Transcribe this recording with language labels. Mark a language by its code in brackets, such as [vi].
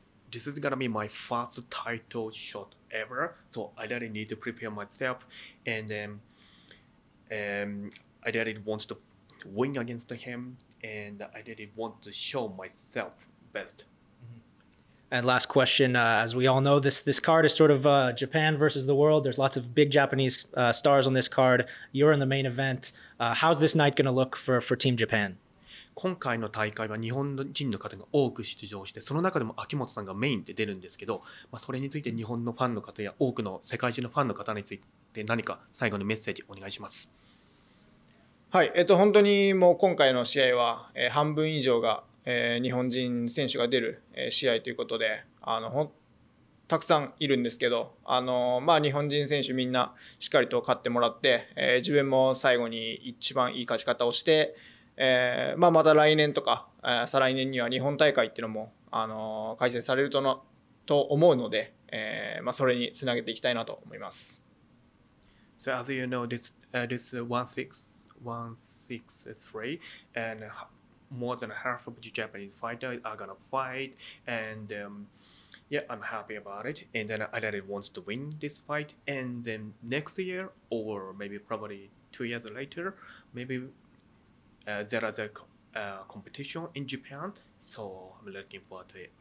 [en] This is gonna be my first title shot ever, so I really need to prepare myself and then I really want to win against him, and I really want to show myself best. And last question, as we all know, this card is sort of Japan versus the world. There's lots of big Japanese stars on this card. You're in the main event. How's this night going to look for Team Japan? [ja] 今回の大会は日本人の方が多く出場して、その中でも秋元さんがメインで出るんですけど、まあ、それについて日本のファンの方や多くの世界中のファンの方について何か最後のメッセージお願いします。はい、本当にもう今回の試合は、半分以上が、日本人選手が出る、試合ということで、たくさんいるんですけど、まあ、日本人選手みんなしっかりと勝ってもらって、自分も最後に一番いい勝ち方をして、まあ、また来年とか、再来年には日本大会っていうのも、開催されると思うので、まあ、それにつなげていきたいなと思います。 [en] So as you know, this 163, and more than half of the Japanese fighters are gonna fight, and yeah, I'm happy about it, and then I really want to win this fight, and then next year, or maybe probably 2 years later, maybe there are the competition in Japan, so I'm looking forward to it.